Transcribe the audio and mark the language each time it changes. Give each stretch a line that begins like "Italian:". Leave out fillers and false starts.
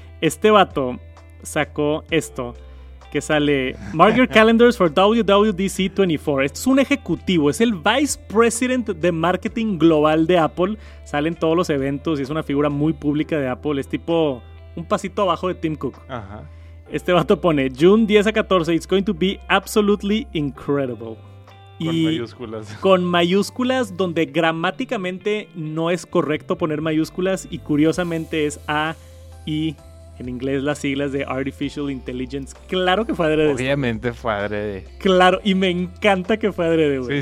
Spanish: Este vato sacó esto, que sale:
English: Mark your calendars for WWDC 24.
Spanish: Esto es un ejecutivo, es el Vice President de Marketing Global de Apple. Salen todos los eventos y es una figura muy pública de Apple. Es tipo un pasito abajo de Tim Cook. Ajá. Este vato pone:
English: June 10 a 14, it's going to be absolutely incredible.
Spanish: Con mayúsculas. Con mayúsculas, donde gramáticamente no es correcto poner mayúsculas. Y curiosamente es AI, en inglés las siglas de Artificial Intelligence. Claro que fue adrede. Obviamente fue adrede. Claro, y me encanta que fue adrede, güey.